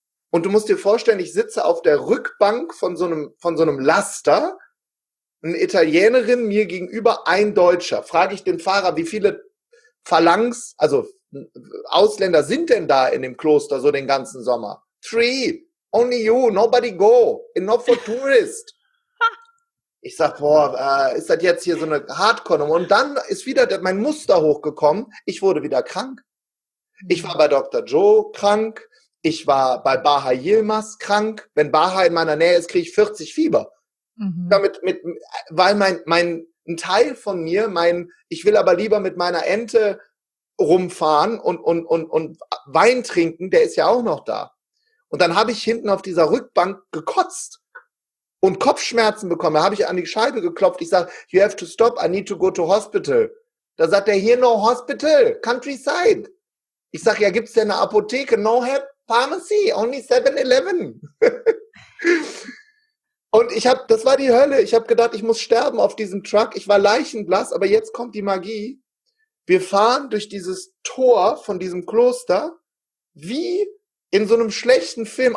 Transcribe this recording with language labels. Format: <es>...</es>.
<de>Und du musst dir vorstellen, ich sitze auf der Rückbank von so einem Laster. Eine Italienerin mir gegenüber, ein Deutscher. Frage ich den Fahrer, wie viele Phalanx, also Ausländer sind denn da in dem Kloster so den ganzen Sommer?</de> <en>3, only you, nobody go, enough for tourist.</en> <de>Ich sag, ist das jetzt hier so eine Hardcore-Nummer? Und dann ist wieder mein Muster hochgekommen, ich wurde wieder krank. Ich war bei Dr. Joe krank, ich war bei Baha Yilmaz krank. Wenn Baha in meiner Nähe ist, kriege ich 40 Fieber. Weil mein ein Teil von mir, ich will aber lieber mit meiner Ente rumfahren und Wein trinken, der ist ja auch noch da. Und dann habe ich hinten auf dieser Rückbank gekotzt und Kopfschmerzen bekommen. Da habe ich an die Scheibe geklopft. Ich sage,</de> <en>you have to stop, I need to go to hospital.</en> <de>Da sagt er,</de> <en>here no hospital, countryside.</en> <de>Ich sage, ja, gibt's denn eine Apotheke?</de> <en>No have pharmacy, only 7-Eleven.</en> <de>Und das war die Hölle. Ich habe gedacht, ich muss sterben auf diesem Truck. Ich war leichenblass, aber jetzt kommt die Magie. Wir fahren durch dieses Tor von diesem Kloster, wie in so einem schlechten Film.</de>